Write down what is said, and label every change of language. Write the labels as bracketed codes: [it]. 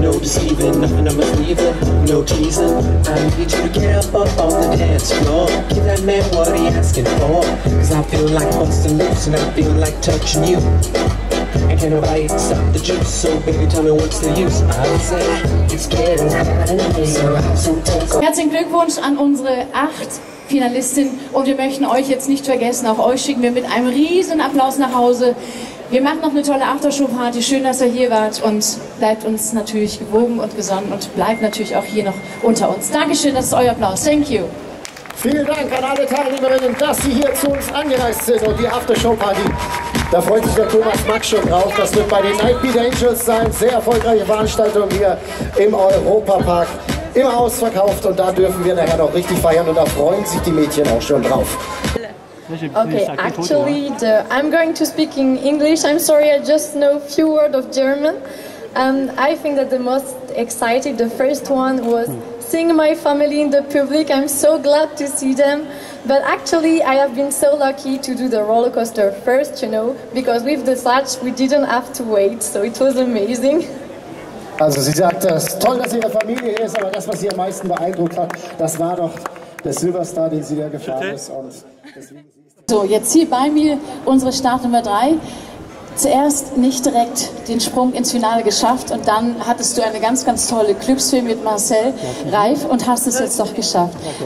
[en] No deceiving, nothing I'm believing, no teasing. I need you to get up off on the dance floor. Give that man what he asking for. Cause I feel like busting loose and I feel like touching you. And can't nobody stop the juice, so baby, tell me what's the use. I'll say, it's getting hot in here, so I'll soon take off. [de] Herzlichen Glückwunsch an unsere 8 Finalistin und wir möchten euch jetzt nicht vergessen, auch euch schicken wir mit einem riesen Applaus nach Hause. Wir machen noch eine tolle Aftershow-Party, schön, dass ihr hier wart und bleibt uns natürlich gewogen und gesonnen und bleibt natürlich auch hier noch unter uns. Dankeschön, das ist euer Applaus. [en] Thank you. [de] Vielen Dank an alle Teilnehmerinnen, dass sie hier zu uns angereist sind und die Aftershow-Party, da freut sich der Thomas Max schon drauf. Das wird bei den Nightbeat Angels sein, sehr erfolgreiche Veranstaltung hier im Europapark. Immer ausverkauft und da dürfen wir nachher noch richtig feiern und da freuen sich die Mädchen auch schon drauf. [en] Okay, actually, I'm going to speak in English. I'm sorry, I just know a few words of German. I think that the most exciting, the first one was seeing my family in the public. I'm so glad to see them. But actually, I have been so lucky to do the roller coaster first, you know, because with the Satch, we didn't have to wait. So it was amazing. [de] Also sie sagt, das ist toll, dass ihre Familie hier ist, aber das, was sie am meisten beeindruckt hat, das war doch der Silverstar, den sie da gefahren ist. Und so, jetzt hier bei mir unsere Startnummer 3. Zuerst nicht direkt den Sprung ins Finale geschafft und dann hattest du eine ganz, ganz tolle Glücksfilm mit Marcel Reif und hast es jetzt doch geschafft.